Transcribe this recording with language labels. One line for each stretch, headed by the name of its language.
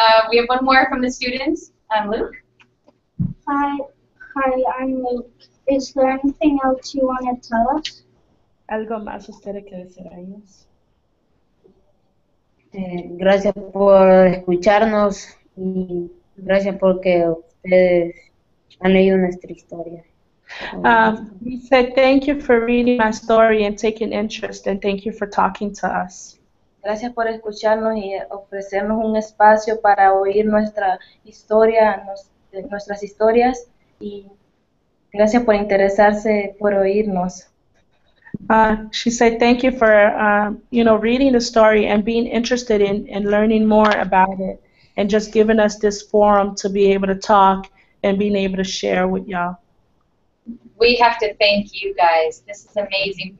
English: We have one more from the students. I'm Luke. Hi, I'm Luke. Is there anything else you want to tell us?
Spanish: ¿Algo más ustedes quieren decir a ellos? Gracias por escucharnos y gracias porque ustedes han leído nuestra historia.
English: We said thank you for reading my story and taking interest and thank you for talking to us.
Spanish: Gracias por escucharnos y ofrecernos un espacio para oír nuestra historia, nuestras historias y gracias por interesarse por oírnos.
English: She said thank you for you know, reading the story and being interested in and learning more about it and just giving us this forum to be able to talk and being able to share with y'all. We have to thank you guys. This is amazing.